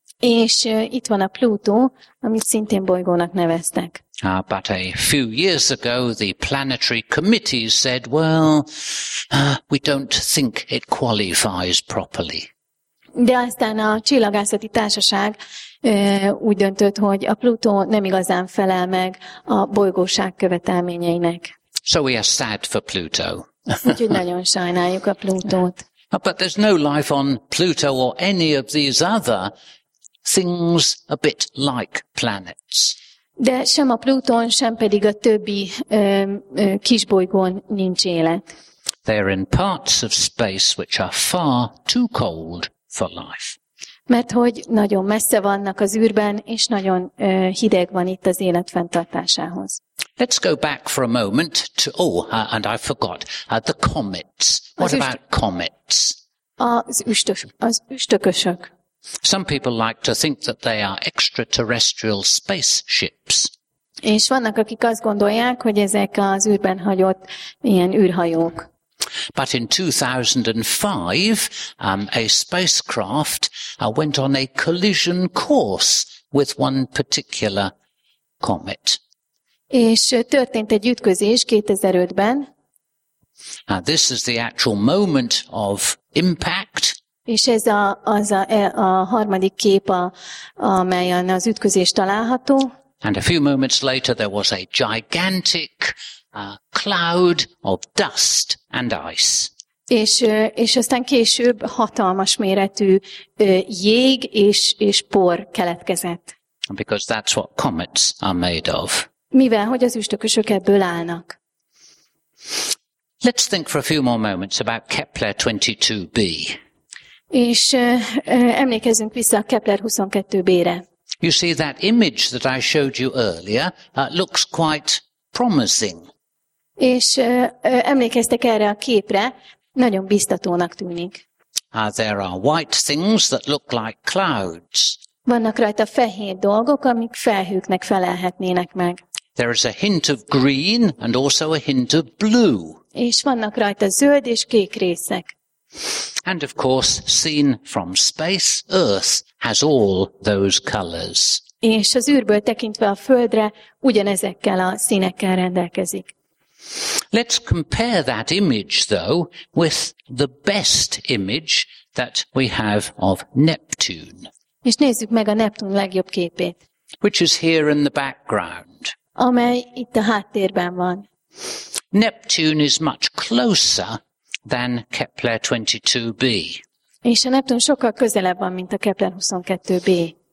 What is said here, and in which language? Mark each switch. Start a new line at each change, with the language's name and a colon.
Hungarian: És itt van a Pluto, amit szintén bolygónak neveztek.
English: But a few years ago, the planetary committee said, well, we don't think it qualifies properly.
Hungarian: De aztán a csillagászati társaság úgy döntött, hogy a Pluto nem igazán felel meg a bolygóság követelményeinek.
English: So we are sad for Pluto.
Hungarian: Úgyhogy nagyon sajnáljuk a Plutót.
English: But there's no life on Pluto or any of these other things a bit like planets.
Hungarian: De sem a Pluton, sem pedig a többi kisbolygón nincs élet.
English: They are in parts of space which are far too cold for life.
Hungarian: Mert hogy nagyon messze vannak az űrben, és nagyon hideg van itt az élet fenntartásához.
English: Let's go back for a moment to, and I forgot, the comets. What about comets?
Hungarian: Az üstökösök.
English: Some people like to think that they are extraterrestrial spaceships.
Hungarian: És vannak, akik azt gondolják, hogy ezek az űrben hagyott ilyen űrhajók.
English: But in 2005, a spacecraft went on a collision course with one particular comet.
Hungarian: És történt egy ütközés 2005-ben.
English: Now, this is the actual moment of impact.
Hungarian: És ez a harmadik kép, amelyen az ütközés található.
English: And a few moments later there was a gigantic cloud of dust and ice.
Hungarian: És aztán később hatalmas méretű jég és por keletkezett.
English: Because that's what comets are made of.
Hungarian: Mivel hogy az üstökösök ebből állnak.
English: Let's think for a few more moments about Kepler 22b.
Hungarian: És emlékezzünk vissza a Kepler 22b-re.
English: You see that image that I showed you earlier looks quite promising.
Hungarian: És emlékeztek erre a képre, nagyon biztatónak tűnik.
English: There are white things that look like clouds.
Hungarian: Vannak rajta fehér dolgok, amik felhőknek felelhetnének meg.
English: There is a hint of green and also a hint of blue.
Hungarian: És vannak rajta zöld és kék részek.
English: And of course, seen from space, Earth has all those colors.
Hungarian: És az űrből tekintve a Földre ugyanezekkel a színekkel rendelkezik.
English: Let's compare that image, though, with the best image that we have of Neptune.
Hungarian: És nézzük meg a Neptun legjobb képét.
English: Which is here in the background.
Hungarian: Amely itt a háttérben van.
English: Neptune is much closer than Kepler 22b.
Hungarian: És a Neptun sokkal közelebb van, mint a Kepler 22b.